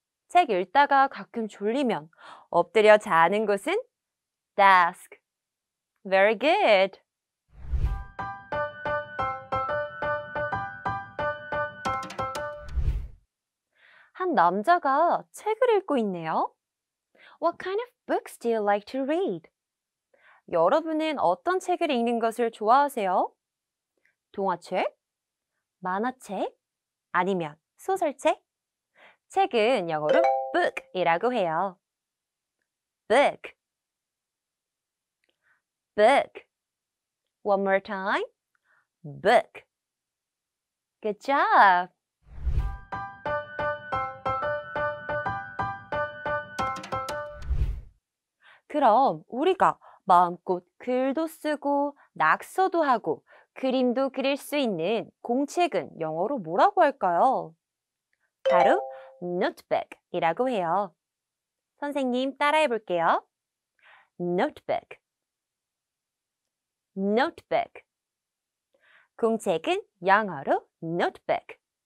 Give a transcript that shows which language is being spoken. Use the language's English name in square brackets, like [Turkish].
[Korean] 책 읽다가 가끔 졸리면 엎드려 자는 곳은 desk. [English] Very good. [Korean] 한 남자가 책을 읽고 있네요. [English] What kind of books do you like to read? [Korean] 여러분은 어떤 책을 읽는 것을 좋아하세요? 동화책? 만화책? 아니면 소설책? 책은 영어로 book이라고 해요. [English] Book. Book. One more time. Book. Good job. [Korean] 그럼 우리가 마음껏 글도 쓰고 낙서도 하고 그림도 그릴 수 있는 공책은 영어로 뭐라고 할까요? 바로 notebook이라고 해요. 선생님 따라해 볼게요. notebook notebook 공책은 영어로 notebook.